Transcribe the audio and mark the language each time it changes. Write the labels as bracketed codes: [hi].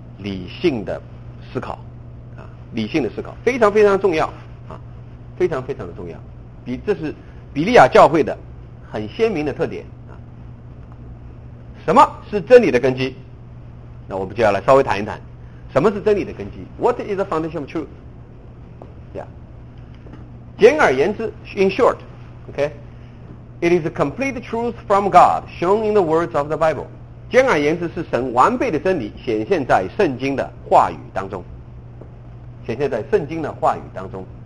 [zh] 理性的思考，啊，理性的思考非常非常重要啊，非常非常的重要。这是比利亚教会的很鲜明的特点啊。什么是真理的根基？那我们就要来稍微谈一谈。什么是真理的根基？ [en] What is the foundation of truth? Yeah. [zh] 简而言之， [en] in short, okay, it is a complete truth from God shown in the words of the Bible. [zh] 简而言之，是神完备的真理显现在圣经的话语当中，显现在圣经的话语当中。